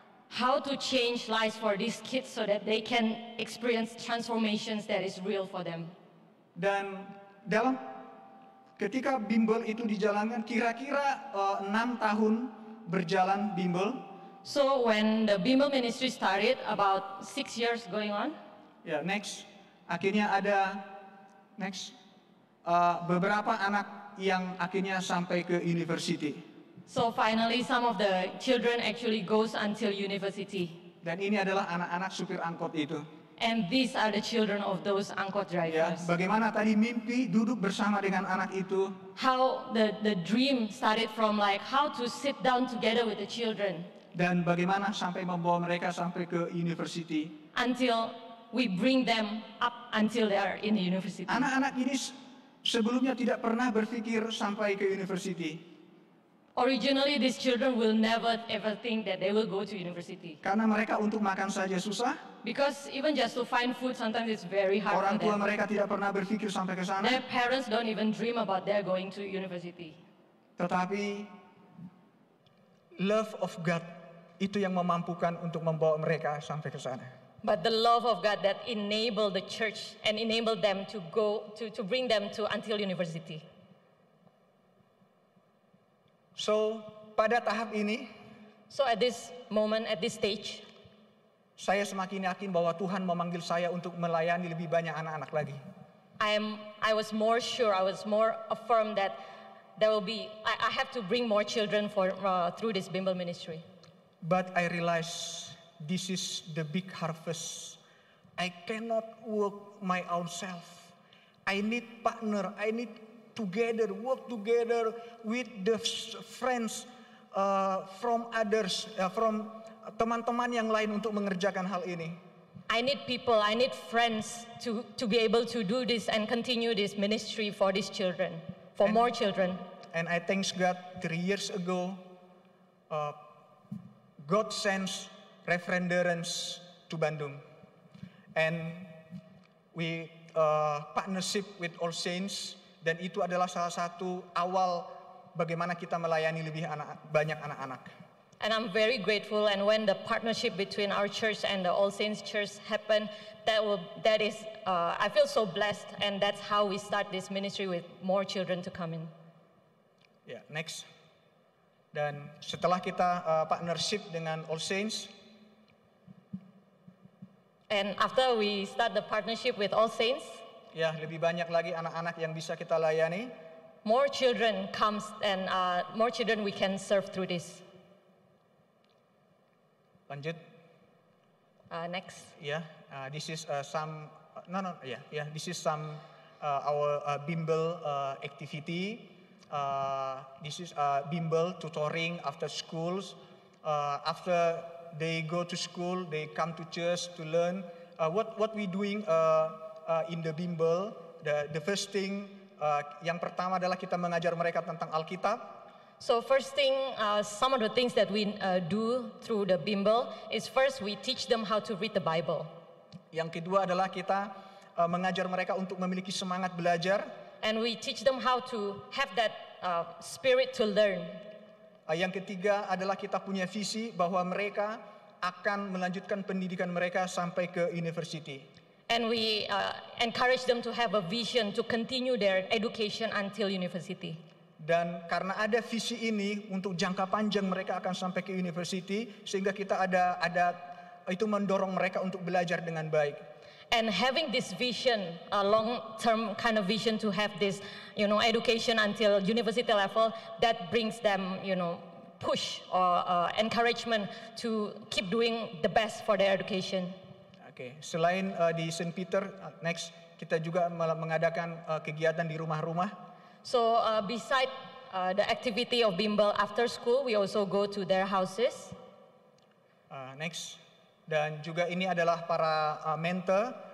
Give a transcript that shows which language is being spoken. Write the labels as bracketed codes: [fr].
[en] How to change lives for these kids so that they can experience transformations that is real for them. [id] Dan dalam ketika bimbel itu dijalankan, kira-kira 6 tahun berjalan bimbel. [en] So when the bimbel ministry started, about 6 years going on. Yeah, next. [id] Akhirnya ada, [en] next. [id] Beberapa anak yang akhirnya sampai ke university. [en] So finally, some of the children actually goes until university. [id] Dan ini adalah anak-anak supir angkot itu. [en] And these are the children of those angkot drivers. [id] Ya, bagaimana tadi mimpi duduk bersama dengan anak itu? [en] How the dream started from like how to sit down together with the children. [id] Dan bagaimana sampai membawa mereka sampai ke university? [en] Until we bring them up until they are in the university. [id] Anak-anak ini sebelumnya tidak pernah berpikir sampai ke university. [en] Originally, these children will never ever think that they will go to university. [id] Karena mereka untuk makan saja susah. [en] Because even just to find food, sometimes it's very hard. [id] Orang tua [en] for them. [id] Mereka tidak pernah berpikir sampai ke sana. [en] Their parents don't even dream about their going to university. [id] Tetapi [en] love of God [id] itu yang memampukan untuk membawa mereka sampai ke sana. [en] But the love of God that enabled the church and enabled them to go to bring them to until university. [id] So, pada tahap ini, [en] so at this moment, at this stage, [id] saya semakin yakin bahwa Tuhan memanggil saya untuk melayani lebih banyak anak-anak lagi. [en] I was more affirmed that there will be I have to bring more children for through this Bimbel ministry. But I realized this is the big harvest. I cannot work my own self. I need partner. I need together, work together with the friends from others, from [id] teman-teman yang lain untuk mengerjakan hal ini. [en] I need people, I need friends to be able to do this and continue this ministry for these children, for and, more children. And I thanks God, 3 years ago, God sends referendums to Bandung. And we partnership with All Saints. [id] Dan itu adalah salah satu awal bagaimana kita melayani lebih banyak anak-anak. [en] And I'm very grateful. And when the partnership between our church and the All Saints Church happened, I feel so blessed. And that's how we start this ministry with more children to come in. Yeah, next. [id] Dan setelah kita partnership dengan All Saints. [en] And after we start the partnership with All Saints. [id] Ya, lebih banyak lagi anak-anak yang bisa kita layani. [en] More children comes and more children we can serve through this. [id] Lanjut. [en] Next. Yeah, this is some. No. Yeah, yeah. This is some our bimbel activity. This is bimbel tutoring after schools. After they go to school, they come to church to learn. What we doing? In the bimbel, the first thing [id] yang pertama adalah kita mengajar mereka tentang Alkitab. [en] So first thing, some of the things that we do through the bimbel is first we teach them how to read the Bible. [id] Yang kedua adalah kita mengajar mereka untuk memiliki semangat belajar. [en] And we teach them how to have that spirit to learn. [id] Yang ketiga adalah kita punya visi bahwa mereka akan melanjutkan pendidikan mereka sampai ke university. [en] And we encourage them to have a vision to continue their education until university. [id] Dan karena ada visi ini untuk jangka panjang mereka akan sampai ke university, sehingga kita ada itu mendorong mereka untuk belajar dengan baik. [en] And having this vision, a long term kind of vision to have this, you know, education until university level, that brings them, you know, push or encouragement to keep doing the best for their education. [id] Okay. Selain di St. Peter, next kita juga mengadakan kegiatan di rumah-rumah. [en] So beside the activity of bimbel after school, we also go to their houses. Next, [id] Dan juga ini adalah para mentor.